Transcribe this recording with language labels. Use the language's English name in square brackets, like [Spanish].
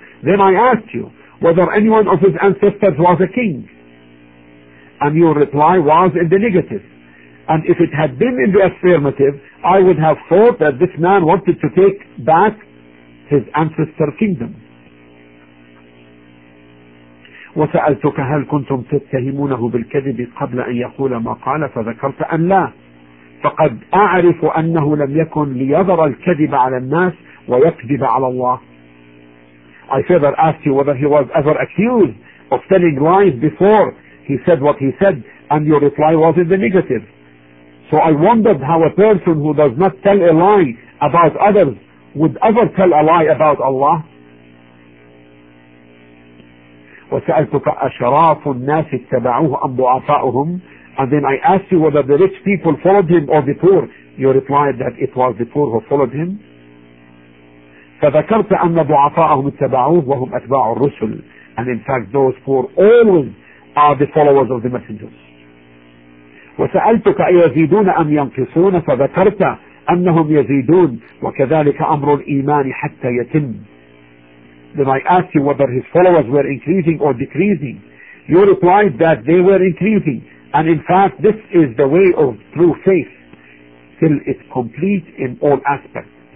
[English] Then I asked you whether anyone of his ancestors was a king, and your reply was in the negative. And if it had been in the affirmative, I would have thought that this man wanted to take back his ancestor kingdom. [Arabic] وسألتك هل كنتم تتهمونه بالكذب قبل أن يقول ما قال فذكرت أن لا فقد أعرف أنه لم يكن ليظهر الكذب على الناس ويكذب على الله. [English] I further asked you whether he was ever accused of telling lies before he said what he said, and your reply was in the negative. So I wondered how a person who does not tell a lie about others would ever tell a lie about Allah. [Arabic] وسألتك أشراف الناس اتبعوه أم ضعفاؤهم. [English] And then I asked you whether the rich people followed him or the poor. You replied that it was the poor who followed him. [Arabic] فذكرت أن ضعفاءهم اتبعوه وهم أتباع الرسل. [English] And in fact those poor always are the followers of the messengers. [Arabic] وسألتك أيزيدون أم ينقصون فذكرت أنهم يزيدون وكذلك أمر الإيمان حتى يتم. [English] Then I asked you whether his followers were increasing or decreasing. You replied that they were increasing. And in fact, this is the way of true faith, till it's complete in all aspects.